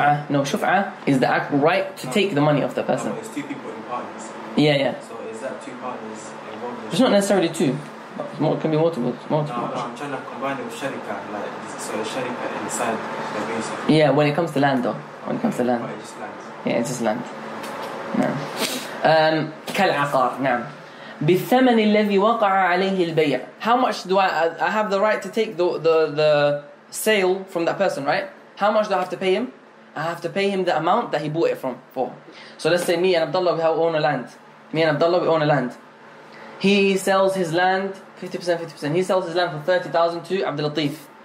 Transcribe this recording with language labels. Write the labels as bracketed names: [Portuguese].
[English] Shufa'a, no, shufa'a is the act right to take the money off the person. It's two people in partners. Yeah, yeah. So is that two partners involved? It's not necessarily two. It can be multiple. No, I'm trying to combine it with sharika, like so. Sharika inside the base. Yeah, when it comes to land, though, when it comes to land. Oh, it's just land. Yeah, it's just land. No. [Arabic] كالعقار نعم بالثمن الذي وقع عليه البيع. [English] How much do I have the right to take the sale from that person, right? How much do I have to pay him? I have to pay him the amount that he bought it from for. So let's say me and Abdullah own a land. He sells his land 50%. He sells his land for 30,000 to Abdul Latif.